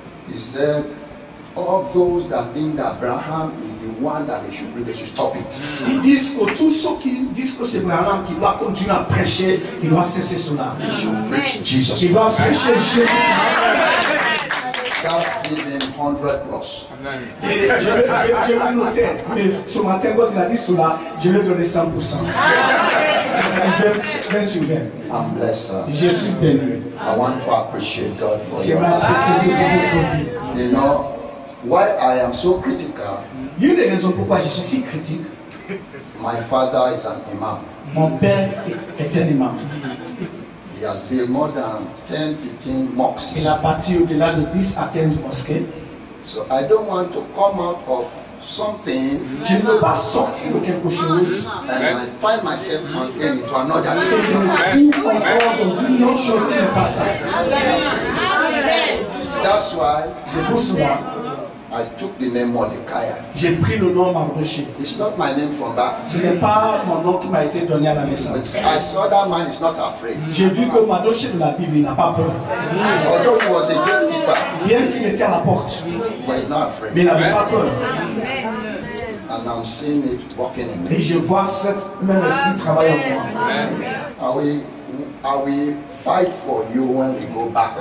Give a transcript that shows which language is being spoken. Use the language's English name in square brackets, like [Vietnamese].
[English] He said, all those that think that Abraham is the one that they should bring, they should stop it. [French] Ils disent que tous ceux qui disent que c'est Abraham qui doit continuer à prêcher, il doit cesser cela. [English] They should preach Jesus. [French] Il doit prêcher Jésus. [English] God's given 100 plus. [French] Je vais noter, mais ce matin, quand il a dit cela, je vais donner 100%. [English] I'm blessed. [French] Je suis béni. [English] I want to appreciate God for [French] you. J'aimerais apprécier pour votre vie. [English] You know, why I am so critical. [French] Une des raisons pourquoi je suis si critique. [English] My father is an imam. [French] Mon père est un imam. [English] He has built more than 10-15 mosques. [French] Il a bâti au-delà de 10 à 15 mosquées. [English] So I don't want to come out of something. [French] Je ne veux pas sortir de quelque chose. [English] And I find myself again into another. [French] Et je me trouve encore dans une autre chose qui n'est pas ça. [English] That's why. [French] C'est pour cela. [English] I took the name Mordecai. [French] J'ai pris le nom Mardoché. [English] It's not my name from that. [French] Ce n'est pas mon nom qui m'a été donné à la naissance. [English] But I saw that man is not afraid. [French] J'ai vu que Mardoché de la Bible n'a pas peur. [English] Although he was a gatekeeper, [French] bien qu'il était à la porte, [English] but he's not afraid. [French] Mais il n'avait pas peur. [English] And I'm seeing it working in me. [French] Et je vois cet même esprit travailler en moi. [English] I will fight for you when we go back.